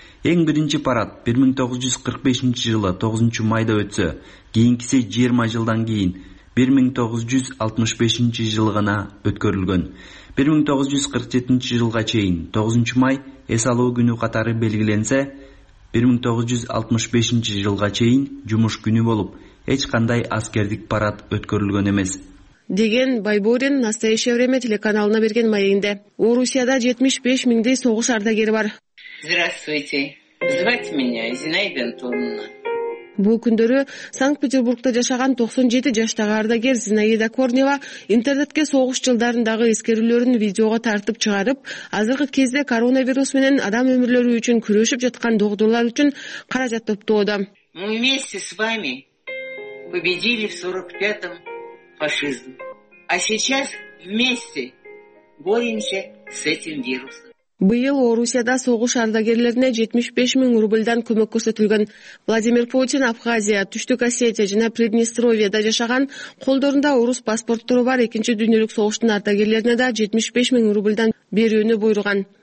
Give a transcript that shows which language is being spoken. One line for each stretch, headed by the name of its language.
Kyrgyz: Эң биринчи парад 1945 жылы 9 майда өтсө, кийинкиси 20 жылдан кийин 1965 жылы гана өткөрүлгөн. 1947 жылга чейин 9 май эс алуу күнү катары белгиленсе, 1965 жылга чейин жумуш күнү болуп, эч кандай аскердик парад өткөрүлгөн эмес. Деген Байборин Настоящее время телеканалына берген маегинде. Орусияда 75 миңдей согуш ардагери бар.
Russian: Здравствуйте. Звать меня Зинаида Антоновна.
Kyrgyz: Бул күндөрү Санкт-Петербургда жашаган 97 жаштагы ардагер Зинаида Корнева интернетке согуш жылдарындагы эскерүүлөрүн видеого тартып чыгарып, азыркы кезде коронавирус менен адам өмүрлөрү үчүн күрөшүп жаткан доктурлар үчүн каражат топтоодо.
Russian: Мы вместе с вами победили в 45-м фашизм. А сейчас вместе боремся с этим вирусом.
Kyrgyz: Быйыл Орусияда согуш ардагерлерине 75 миң рубльдан көмөк көрсөтүлгөн. Владимир Путин Абхазия, Түштүк Осетия жана Приднестровьеда жашаган, колдорунда орус паспорттору бар экинчи дүйнөлүк согуштун ардагерлерине да 75 миң рубльдан берүүнү буйруган.